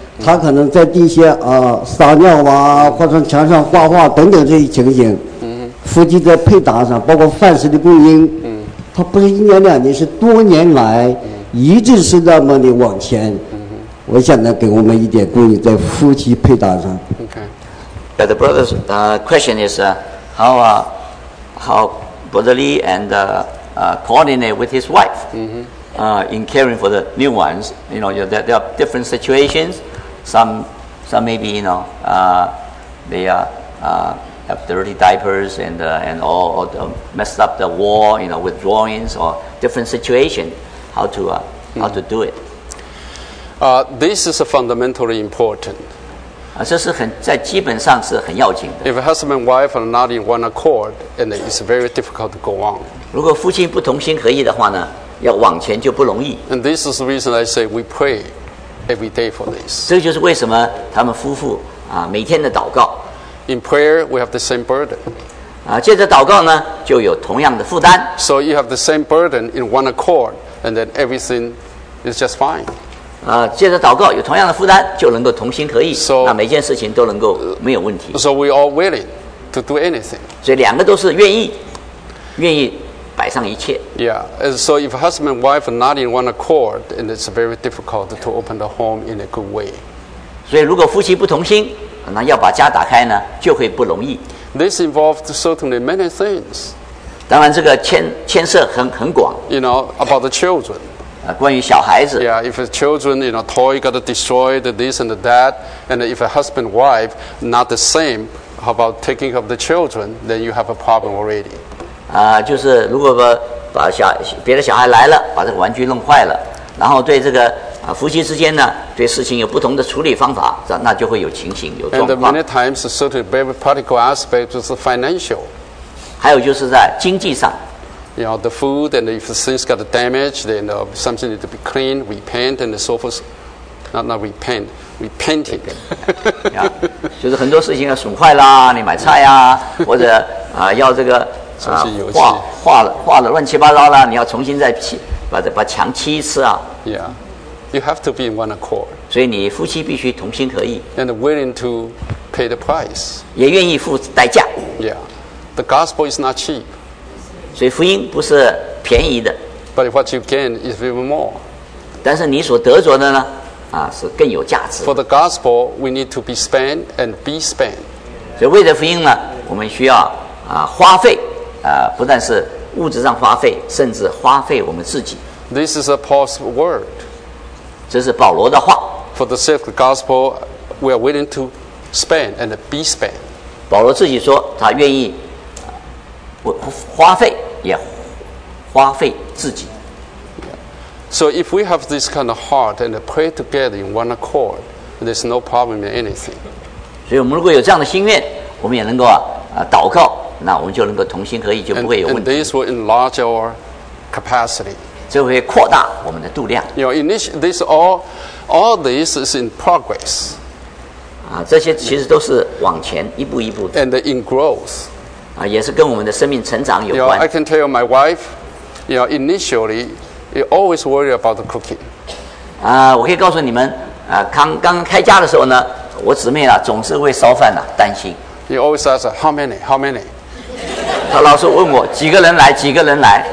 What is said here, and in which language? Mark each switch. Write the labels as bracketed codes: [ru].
[zh] 他可能在地下撒尿啊，或者墙上画画等等这些情形。夫妻在配搭上，包括饭食的供应，他不是一年两年，是多年来一直是那么的往前。我想呢，给我们一点供应在夫妻配搭上。 Okay. [en] But the brother's question is how Brother Lee and coordinate with his wife in caring for the new ones. You know, there are different situations. Some maybe, you know, they have dirty diapers and all the messed up the wall, you know, with drawings or different situation, how to do it. This is fundamentally important. [zh] 这是很在基本上是很要紧的。 [en] If a husband and wife are not in one accord, and it's very difficult to go on. [zh] 如果夫妻不同心合意的话呢，要往前就不容易。 [en] And this is the reason I say we pray. Every day for this. [zh] 这就是为什么他们夫妇每天的祷告。 [en] In prayer, we have the same burden. [zh] 借着祷告呢，就有同样的负担。 [en] So you have the same burden in one accord, and then everything is just fine. [zh] 接着祷告，有同样的负担，就能够同心合意。 So, 那每件事情都能够没有问题。 [en] So we all willing to do anything. [zh] 所以两个都是愿意，愿意摆上一切。 Yeah. [en] So if husband and wife are not in one accord, and it's very difficult to open the home in a good way. [zh] 所以如果夫妻不同心，那要把家打开呢，就会不容易。 [en] This involves certainly many things. [zh] 当然，这个牵涉很广。 [en] You know about the children. [zh] 关于小孩子 [en] yeah, if children, you know, toy got destroyed, this and that, and if a husband and wife not the same, how about taking of the children, then you have a problem already. [zh] 就是如果把别的小孩来了，把这个玩具弄坏了，然后对这个夫妻之间呢，对事情有不同的处理方法，那就会有情形，有状况。 [en] And many times, certain very practical aspects is financial. [zh] 还有就是在经济上。 [en] You know, the food, and if things got damaged, then something need to be cleaned, repent, and so forth. Not repent, repenting. [zh] Yeah, 就是很多事情要损坏啦，你买菜呀、啊，或者要这个画了乱七八糟了，你要重新再把墙漆一次啊。 [en] Yeah, you have to be in one accord. [zh] 所以你夫妻必须同心合意。 [en] And willing to pay the price. [zh] 也愿意付代价。 [en] Yeah, the gospel is not cheap. [zh] 所以福音不是便宜的 [en] ，But what you gain is even more. [zh] 但是你所得着的呢，是更有价值的。 [en] For the gospel, we need to be spent and be spent. [zh] 所以为了福音呢，我们需要花费不但是物质上花费，甚至花费我们自己。 [en] This is a Paul's word. [zh] 这是保罗的话。 [en] For the sake of the gospel, we are willing to spend and be spent. [zh] 保罗自己说，他愿意。花费也花费自己。 [en] So if we have this kind of heart and pray together in one accord, there's no problem in anything. [zh] 所以我们如果有这样的心愿，我们也能够祷告，那我们就能够同心合意，就不会有问题。 [en] And this will enlarge our capacity. [zh] 这会扩大我们的度量。 [en] You know, this is in progress. [zh] 这些其实都是往前一步一步的。 [en] And in growth. [zh] 也是跟我们的生命成长有关。 [en] You know, I can tell you, my wife, you know, initially, you always worry about the cooking. [zh] 我可以告诉你们，刚开家的时候呢，我姊妹啊总是为烧饭担心。 [en] You always ask how many, how many. [zh] 她老是问我几个人来，几个人来。